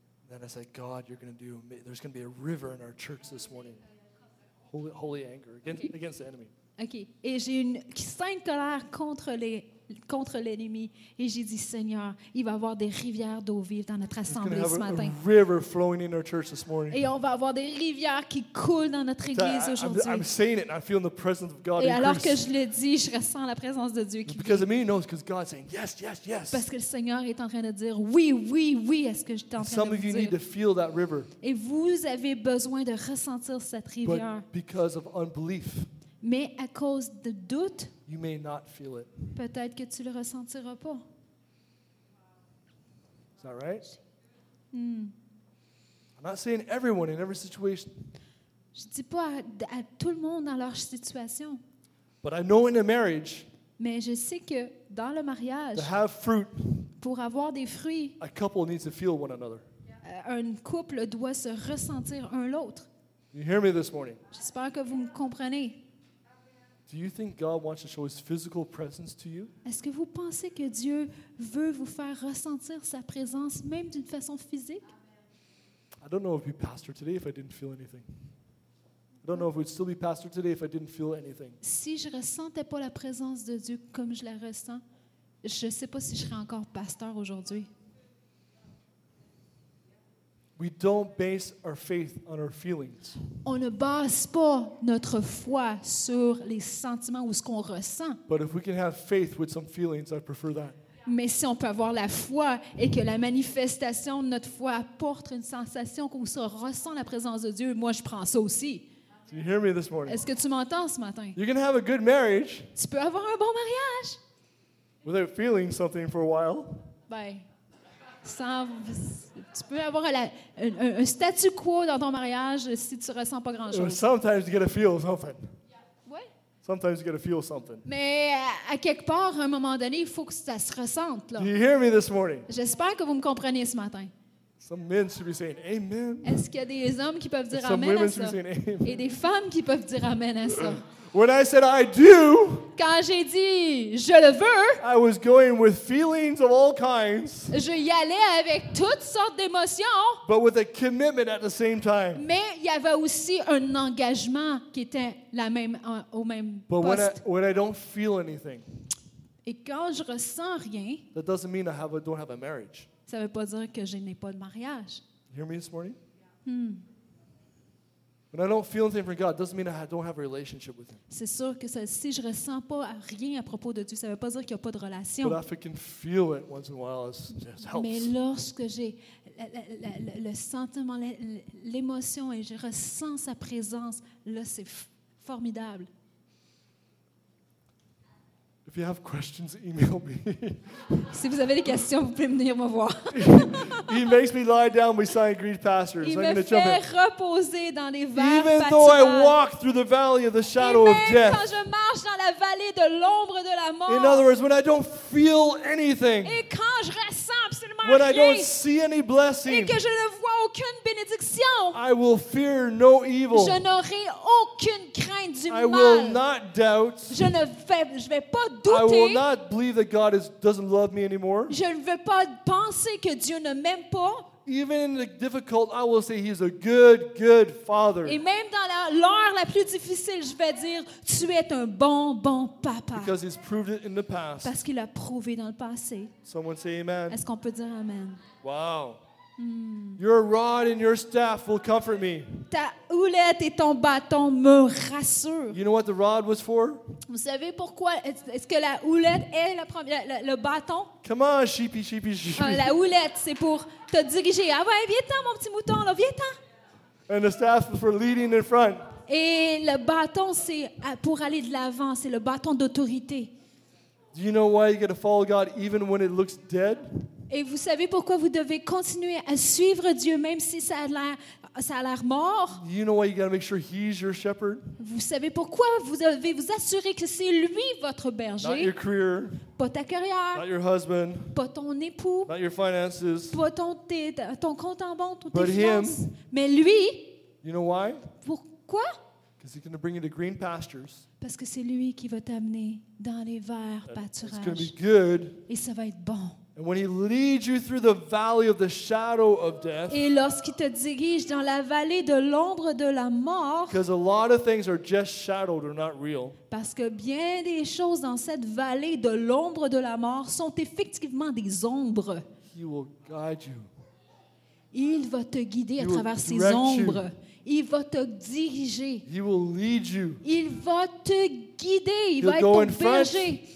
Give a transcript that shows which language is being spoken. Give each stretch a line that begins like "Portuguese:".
English: Then I said, God, you're going to do. There's going to be a river in our church this morning. Holy anger against the enemy. Okay.
French: Et j'ai une sainte colère contre l'ennemi. Et j'ai dit, Seigneur, il va y avoir des rivières d'eau vive dans notre assemblée ce matin.
English: A river flowing in our church this morning.
French: Et on va avoir des rivières qui coulent dans notre église aujourd'hui.
English: I'm saying it. I feel the presence of God.
French: Et alors que je le dis, je ressens la présence de Dieu qui vient.
English: Because of me, no, it's because God's saying yes, yes, yes.
French: Parce que le Seigneur est en train de dire oui, oui, oui à ce que je suis en train de dire.
English: Some of you need to feel that river.
French: Et vous avez besoin de ressentir cette rivière.
English: But because of unbelief.
French: Mais à cause de doute,
English: you may not feel it.
French: Peut-être que tu le ressentiras pas.
English: Is that right? Mm. I'm not saying everyone in every situation.
French: Je dis pas à tout le monde dans leur situation.
English: But I know in a marriage.
French: Mais je sais que dans le mariage,
English: to have fruit,
French: pour avoir des fruits,
English: a couple needs to feel one another.
French: Un couple doit se ressentir un l'autre.
English: You hear me this morning?
French: J'espère que vous me comprenez.
English: Do you think God wants to show His physical presence to you?
French: Est-ce que vous pensez que Dieu veut vous faire ressentir sa présence même d'une façon physique?
English: I don't know if we'd be pastor today if I didn't feel anything. I don't know if we'd still be pastor today if I didn't feel anything.
French: Si je ressentais pas la présence de Dieu comme je la ressens, je sais pas si je serais encore pasteur aujourd'hui.
English: We don't base our faith on our feelings.
French: On ne base pas notre foi sur les sentiments ou ce qu'on ressent.
English: But if we can have faith with some feelings, I prefer that.
French: Mais si on peut avoir la foi et que la manifestation de notre foi apporte une sensation qu'on se ressent la présence de Dieu, moi je prends ça aussi.
English: Do you hear me this morning?
French: Est-ce que tu m'entends ce matin?
English: You can have a good marriage.
French: Tu peux avoir un bon mariage.
English: Without feeling something for a while. Bye.
French: Tu peux avoir un statu quo dans ton mariage si tu ne ressens pas grand-chose.
English: Sometimes you get a feel something.
French: Oui.
English: Sometimes you get a feel something.
French: Mais à quelque part, à un moment donné, il faut que ça se ressente. Là.
English: Do you hear me this morning?
French: J'espère que vous me comprenez ce matin.
English: Some men should be saying amen.
French: Est-ce qu'il y a des hommes qui peuvent dire amen à ça?
English: Some women should be saying amen.
French: Et des femmes qui peuvent dire amen à ça?
English: When I said I do,
French: quand j'ai dit je le veux,
English: I was going with feelings of all kinds.
French: Je y allais avec toutes sortes d'émotions.
English: But with a commitment at the same time.
French: Mais il y avait aussi un engagement qui était la même au même poste.
English: But when I don't feel anything,
French: et quand je ressens rien,
English: that doesn't mean I don't have a marriage.
French: Ça veut pas dire que je n'ai pas de mariage.
English: You hear me this morning? Hmm. When I don't feel anything for God, doesn't mean I don't have a relationship with Him.
French: C'est sûr que si je ressens pas rien à propos de Dieu, ça veut pas dire qu'il y a pas de relation.
English: But if I can feel it once in a while, it helps.
French: Mais lorsque j'ai le sentiment, l'émotion, et je ressens sa présence, là c'est formidable.
English: If you have questions, email me.
French: Si vous avez des questions, vous pouvez venir me voir.
English: He makes me lie down beside green pastures.
French: Il me fait reposer dans les verts pâturages.
English: Even though I walk through the valley of the shadow of death.
French: Et même quand je marche dans la vallée de l'ombre de la mort.
English: In other words, when I don't feel anything.
French: Et quand je ressens absolument rien.
English: When I don't see any blessing.
French: Et que je ne vois aucune bénédiction. non.
English: I will fear no evil.
French: Je n'aurai aucune crainte du
English: I
French: mal.
English: I will not doubt.
French: Je vais pas douter.
English: I will not believe that God doesn't love me anymore.
French: Je ne vais pas penser que Dieu ne m'aime pas.
English: Even in the difficult, I will say he's a good, good father.
French: Et même dans l'heure la plus difficile, je vais dire, tu es un bon, bon papa.
English: Because he's proved it in the past.
French: Parce qu'il a prouvé dans le passé.
English: Someone say amen.
French: Est-ce qu'on peut dire amen?
English: Wow. Your rod and your staff will comfort me.
French: Ta houlette et ton bâton me rassurent.
English: You know what the rod was for?
French: Vous savez pourquoi? Est-ce que la houlette est la première, le bâton?
English: Come on, sheepy, sheepy, sheepy.
French: La houlette, c'est pour te diriger. Ah ouais, viens-t'en, mon petit mouton, là, viens-t'en.
English: And the staff was for leading in front.
French: Et le bâton, c'est pour aller de l'avant. C'est le bâton d'autorité.
English: Do you know why you got to follow God even when it looks dead?
French: Et vous savez pourquoi vous devez continuer à suivre Dieu même si ça a l'air mort?
English: You know why you gotta make sure he's your shepherd?
French: Vous savez pourquoi vous devez vous assurer que c'est lui votre berger?
English: Not your career.
French: Pas ta carrière.
English: Not your husband.
French: Pas ton époux.
English: Not your finances.
French: Pas ton compte en banque, tes finances.
English: Him,
French: mais lui.
English: You know why?
French: Pourquoi?
English: Because he's gonna bring you to green pastures.
French: Parce que c'est lui qui va t'amener dans les verts pâturages.
English: It's gonna be good.
French: Et ça va être bon.
English: And when he leads you through the valley of the shadow of death,
French: et lorsqu'il te dirige dans la vallée de l'ombre de la mort,
English: because a lot of things are just shadowed or not real,
French: parce que bien des choses dans cette vallée de l'ombre de la mort sont effectivement des ombres,
English: he will guide you.
French: Il va te guider
English: he
French: à travers ces ombres.
English: You.
French: Il va te diriger.
English: He will lead you.
French: Il va te guider. Il va être ton berger.